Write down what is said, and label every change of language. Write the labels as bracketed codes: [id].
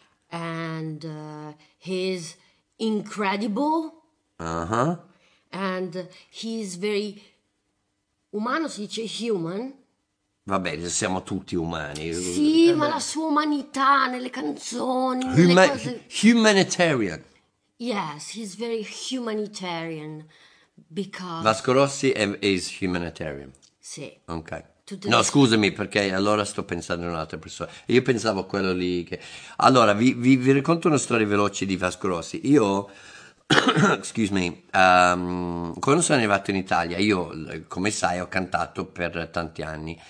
[en] And he's incredible. Uh-huh. And he's very [it] umano, si dice [en] human. [it] Vabbè, siamo tutti umani. Sì, ma la sua umanità nelle canzoni, nelle cose. [en] Humanitarian. Yes, he's very humanitarian because Vasco Rossi is humanitarian. [it] Sì. Ok. No, scusami, perché allora sto pensando in un'altra persona. Io pensavo a quello lì che... Allora, vi racconto una storia veloce di Vasco Rossi. Io, [en] excuse me, [it] quando sono arrivato in Italia, io, come sai, ho cantato per tanti anni.